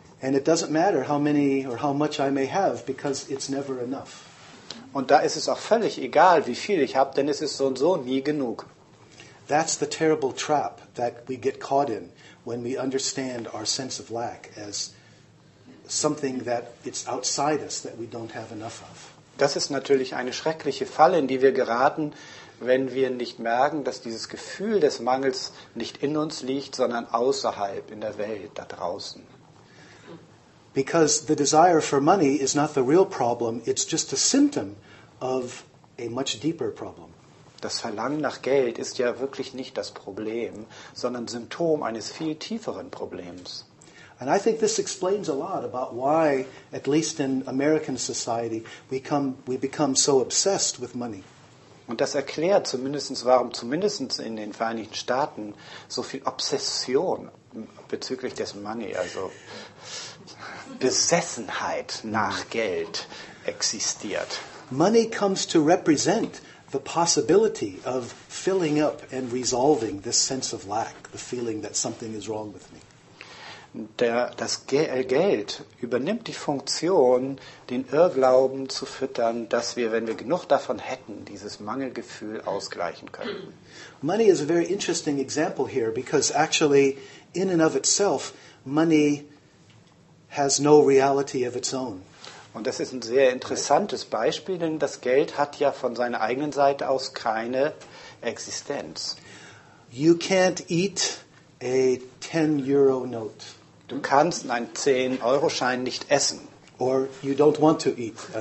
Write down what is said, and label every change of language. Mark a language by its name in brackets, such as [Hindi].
[English] And it doesn't matter how many or how much I may have, because it's never enough. [German] Und da ist es auch völlig egal, wie viel ich habe, denn es ist so und so nie genug. [English] That's the terrible trap that we get caught in when we understand our sense of lack as something that it's outside us that we don't have enough of. [German] Das ist natürlich eine schreckliche Falle, in die wir geraten, wenn wir nicht merken, dass dieses Gefühl des Mangels nicht in uns liegt, sondern außerhalb, in der Welt, da draußen. [English] Because the desire for money is not the real problem, it's just a symptom of a much deeper problem. [German] Das Verlangen nach Geld ist ja wirklich nicht das Problem, sondern Symptom eines viel tieferen Problems. [English] And I think this explains a lot about why, at least in American society, we become so obsessed with money. [German] Und das erklärt zumindest, warum zumindest in den Vereinigten Staaten so viel Obsession bezüglich des Money, also Besessenheit nach Geld, existiert. [English] Money comes to represent the possibility of filling up and resolving this sense of lack, the feeling that something is wrong with me. [German] Das Geld übernimmt die Funktion, den Irrglauben zu füttern, dass wir, wenn wir genug davon hätten, dieses Mangelgefühl ausgleichen können. [English] Money is a very interesting example here, because actually, in and of itself, money has no reality of its own. [German] Und das ist ein sehr interessantes Beispiel, denn das Geld hat ja von seiner eigenen Seite aus keine Existenz. [English] You can't eat a 10-Euro-Note. [German] Du kannst einen 10-Euro-Schein nicht essen. [English] or you don't want to eat.